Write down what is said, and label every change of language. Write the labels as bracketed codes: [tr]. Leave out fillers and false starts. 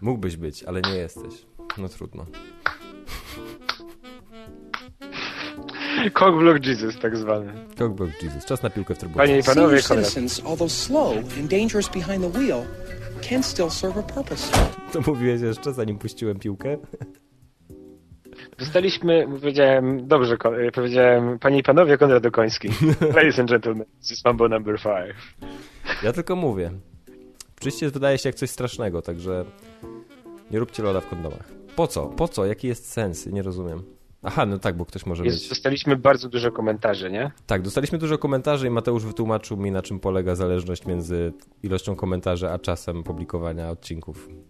[pl] Mógłbyś być, ale nie jesteś. No trudno. Cockblock Jesus, tak zwany. Cockblock Jesus. Czas na piłkę w trybunie. Panie i panowie, [en] citizens, although slow and dangerous behind the wheel, can still serve a purpose. [pl] To mówiłeś jeszcze, zanim puściłem piłkę? Zostaliśmy, powiedziałem, dobrze, powiedziałem, panie i panowie, Konrad Okoński. [en] Ladies and gentlemen, this is Mambo number 5. [pl] Ja tylko mówię. Czyściec wydaje się jak coś strasznego, także nie róbcie loda w kondomach. Po co? Po co? Jaki jest sens? Nie rozumiem. Aha, no tak, bo ktoś może mieć... Dostaliśmy bardzo dużo komentarzy, nie? Tak, dostaliśmy dużo komentarzy i Mateusz wytłumaczył mi, na czym polega zależność między ilością komentarzy, a czasem publikowania odcinków.